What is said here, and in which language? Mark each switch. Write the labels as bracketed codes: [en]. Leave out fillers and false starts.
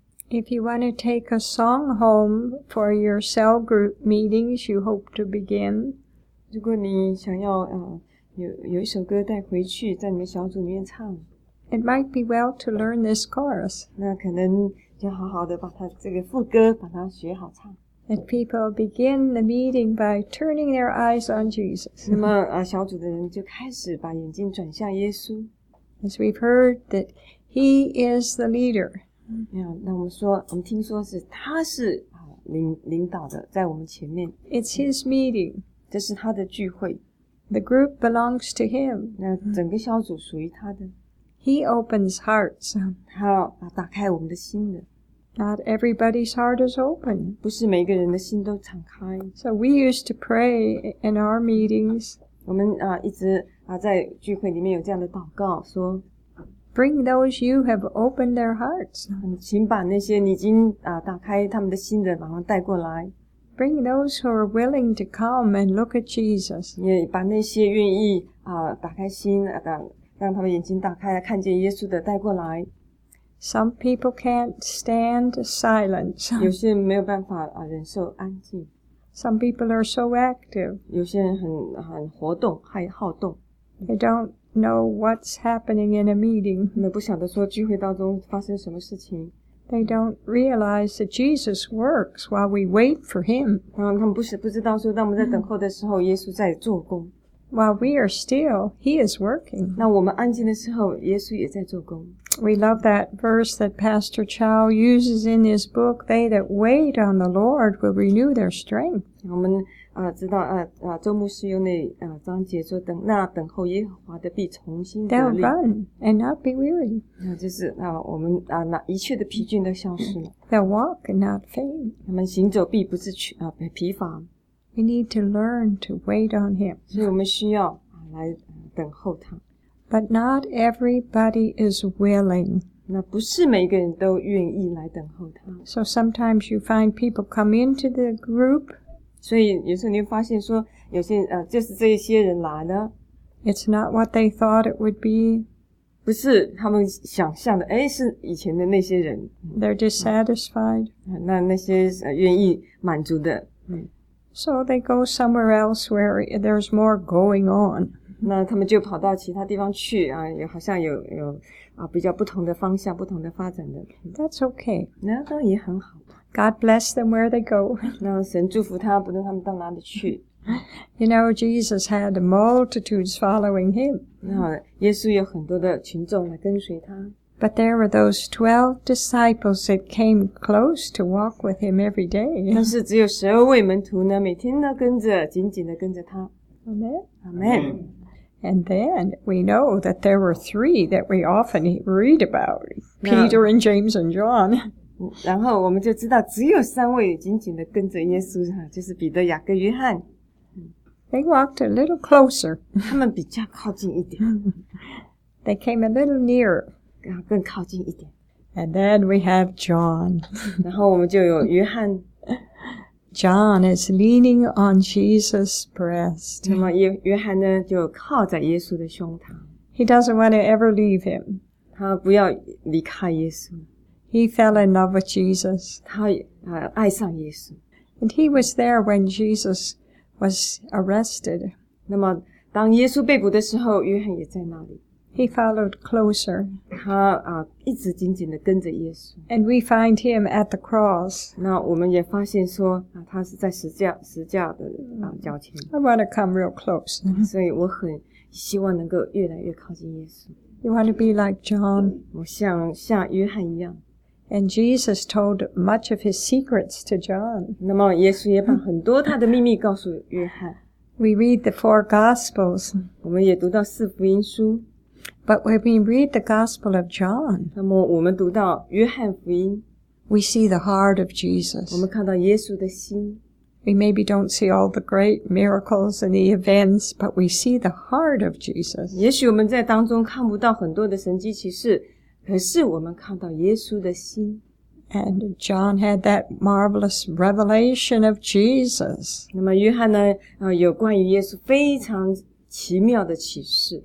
[en] If you want to take a song home for your cell group meetings you hope to begin, [zh] 如果你想要有一首歌带回去在你们小组里面唱 [en] it might be well to learn this chorus. [zh] 那可能要好好的把它这个副歌把它学好唱 [en] And people begin the meeting by turning their eyes on Jesus. [zh] 那么小组的人就开始把眼睛转向耶稣 [en] As we've heard that he is the leader. [zh] 那我们听说是他是领导的在我们前面 [en] It's his meeting [zh] 这是他的聚会 [en] The group belongs to him [zh] 那整个小组属于他的 [en] He opens hearts [zh] 他打开我们的心的 [en] Not everybody's heart is open [zh] 不是每个人的心都敞开 [en] So we used to pray in our meetings [zh] 我们一直在聚会里面有这样的祷告说 [en] Bring those you have opened their hearts. [zh] 请把那些你已经打开他们的心的，把他们带过来。 [en] Bring those who are willing to come and look at Jesus. [zh] 也把那些愿意打开心的，让他们眼睛打开来看见耶稣的带过来。 [en] Some people can't stand silence. [zh] 有些人没有办法忍受安静。 [en] Some people are so active. [zh] 有些人很活动，还好动。 [en] They don't. Know what's happening in a meeting. [zh] 不晓得说聚会当中发生什么事情。 [en] They don't realize that Jesus works while we wait for Him. [zh] 他们不知道说，当我们在等候的时候，耶稣在做工。 [en] While we are still, He is working. [zh] 那我们安静的时候，耶稣也在做工。 [en] We love that verse that Pastor Chow uses in his book. They that wait on the Lord will renew their strength. [zh] 我们知道周牧师用那章节说那等候耶和华的必重新得力。 [en] They'll run and not be weary. [zh] 就是我们一切的疲倦都消失了。 [en] They'll walk and not faint. [zh] 他们行走必不是疲乏。 [en] We need to learn to wait on Him. [zh] 所以我们需要来等候他。 [en] But not everybody is willing. [zh] 那不是每一个人都愿意来等候他。 [en] So sometimes you find people come into the group. [zh] 所以有时候你会发现说有些就是这些人来的。 [en] It's not what they thought it would be. [zh] 不是他们想象的诶是以前的那些人。 [en] They're dissatisfied. [zh] 那些愿意满足的。 [en] So they go somewhere else where there's more going on. [zh] 那他们就跑到其他地方去啊也好像有比较不同的方向不同的发展的。 [en] That's okay. [zh] 那当然也很好。 [en] God bless them where they go. [zh] 那神祝福他不论他们到哪里去。 [en] You know, Jesus had multitudes following him. [zh] 那耶稣有很多的群众来跟随他。 [en] But there were those 12 disciples that came close to walk with him every day. [zh] 但是只有十二位门徒呢每天都跟着紧紧的跟着他。 [en] Amen. Amen. And then we know that there were 3 that we often read about. Peter and James and John. [zh] 然后我们就知道只有三位紧紧的跟着耶稣就是彼得雅各约翰。 [en] They walked a little closer. [zh] 他们比较靠近一点。 [en] They came a little nearer. [zh] 更靠近一点。 [en] And then we have John. [zh] 然后我们就有约翰。 [en] John is leaning on Jesus' breast. [zh] 那么约翰呢就靠在耶稣的胸膛。 [en] He doesn't want to ever leave him. [zh] 他不要离开耶稣。 [en] He fell in love with Jesus. [zh] 他爱上耶稣。 [en] And he was there when Jesus was arrested. [zh] 那么当耶稣被捕的时候约翰也在那里。 [en] He followed closer. [zh] 他一直紧紧地跟着耶稣。 [en] And we find him at the cross. [zh] 那我们也发现说他是在十字架的脚前。 [en] I want to come real close. [zh] 所以我很希望能够越来越靠近耶稣。 [en] You want to be like John. [zh] 我像约翰一样。 [en] And Jesus told much of his secrets to John. [zh] 那么耶稣也把很多他的秘密告诉约翰。 [en] We read the 4 Gospels. [zh] 我们也读到四福音书。 [en] But when we read the Gospel of John, [zh] 那么我们读到约翰福音, [en] we see the heart of Jesus. [zh] 我们看到耶稣的心。 [en] We maybe don't see all the great miracles and the events, but we see the heart of Jesus. [zh] 也许我们在当中看不到很多的神迹奇事,可是我们看到耶稣的心。 [en] And John had that marvelous revelation of Jesus. [zh] 那么约翰呢,有关于耶稣非常奇妙的启示。